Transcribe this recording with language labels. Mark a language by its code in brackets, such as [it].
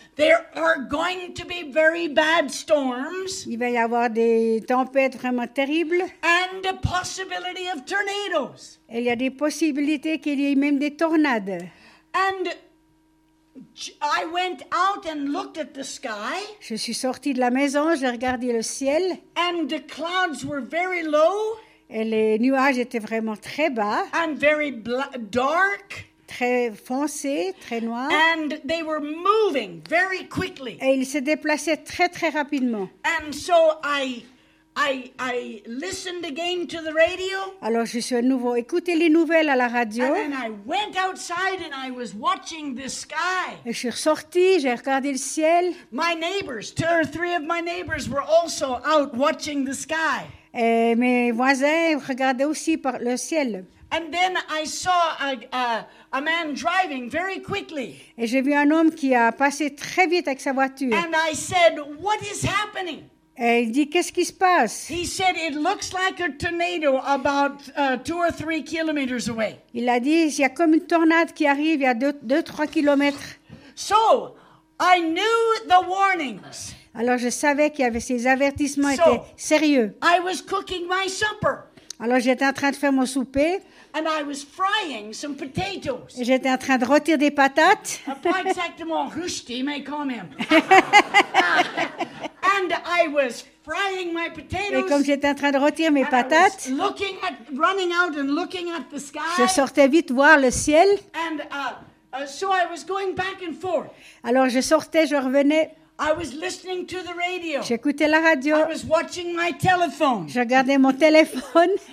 [en] There are going to be very bad storms. [fr] Il va y avoir des tempêtes vraiment terribles. [en] And a possibility of tornadoes. [fr] Et il y a des possibilités qu'il y ait même des tornades. [en] And I went out and looked at the sky. [fr] Je suis sortie de la maison, j'ai regardé le ciel. [en] And the clouds were very low. [fr] Et les nuages étaient vraiment très bas. [en] And very dark. [fr] Très foncés, très noirs. [en] And they were moving very quickly. [fr] Et ils se déplaçaient très très rapidement. [en] And so I listened again to the radio. [fr] Alors je suis à nouveau écouté les nouvelles à la radio. [en] And I went outside and I was watching the sky. [fr] Et je suis sortie, j'ai regardé le ciel. [en] My neighbors, two or three of my neighbors were also out watching the sky. [fr] Et mes voisins regardaient aussi par le ciel. [en] And then I saw a man driving very quickly. [fr] Et j'ai vu un homme qui a passé très vite avec sa voiture. [en] And I said, "What is happening?" [fr] Et il dit, qu'est-ce qui se passe? [en] He said, "It looks like a tornado about 2 or 3 kilometers away." [fr] Il a dit, il y a comme une tornade qui arrive à 2-3 kilomètres. [en] So, I knew the warnings. [fr] Alors je savais qu'il y avait ces avertissements étaient sérieux. [en] I was cooking my supper. [fr] Alors j'étais en train de faire mon souper. [en] And I was frying some potatoes. [fr] Et j'étais en train de rôtir des patates. Pas exactement rusty, mais quand même. [en] And I was frying my potatoes. [fr] Et comme j'étais en train de rôtir mes patates. [en] Looking at, running out and looking at the sky. [fr] Je sortais vite voir le ciel. [en] And so I was going back and forth. [fr] Alors je sortais, je revenais. [en] I was listening to the radio. [fr] J'écoutais la radio. [en] I was watching my telephone. [fr] Je regardais mon téléphone.